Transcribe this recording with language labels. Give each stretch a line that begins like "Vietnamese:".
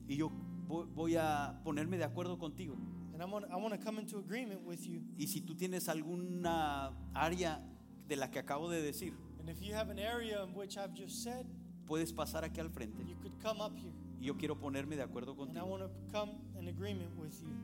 Spanish: Y yo voy a ponerme de acuerdo contigo.
English: And I want to come into agreement with you.
Spanish: Y si tú tienes alguna área de la que acabo de decir,
English: and if you have an area in which I've just said,
Spanish: puedes pasar aquí al frente.
English: You could come up here.
Spanish: Y yo quiero ponerme de acuerdo contigo.
English: And I want to come in agreement with you.